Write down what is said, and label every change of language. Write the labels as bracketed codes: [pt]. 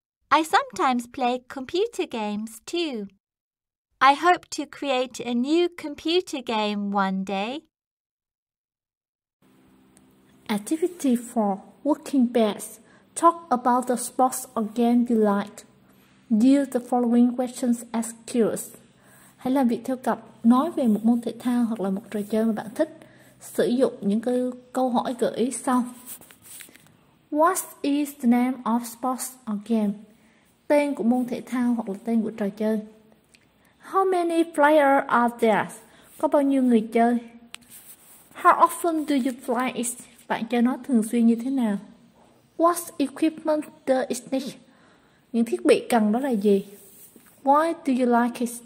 [en] I sometimes play computer games too. I hope to create a new computer game one day. Activity 4. Working best. Talk about the sports or game you like. Use the following questions as cues. [vi] Hãy làm việc theo cặp, nói về một môn thể thao hoặc là một trò chơi mà bạn thích. Sử dụng những cái câu hỏi gợi ý sau. [en] What is the name of sports or game? [vi] Tên của môn thể thao hoặc là tên của trò chơi. [en] How many players are there? [vi] Có bao nhiêu người chơi? [en] How often do you play it? [vi] Bạn chơi nó thường xuyên như thế nào? [en] What equipment does it need? [vi] Những thiết bị cần đó là gì? [en] Why do you like it?